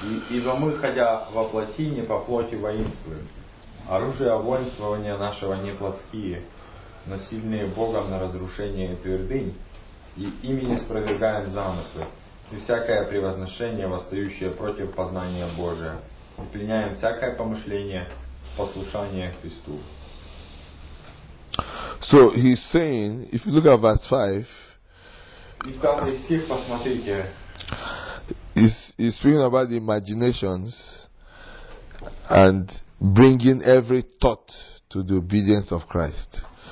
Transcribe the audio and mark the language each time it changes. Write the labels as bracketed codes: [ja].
[ru] Ибо мы, ходя во плоти, не по плоти воинствуем. Оружие воинствования нашего не плотские, но сильные Богом на разрушение твердынь, и ими не спровергаем замыслы. И всякое превозношение, восстающее против познания Божия. И пленяем всякое помышление послушание Христу. [en] So he's saying, if you look at verse 5, [ru] и в каждой стих посмотрите, [en] he's speaking about the imaginations and bringing every thought to the obedience of Christ.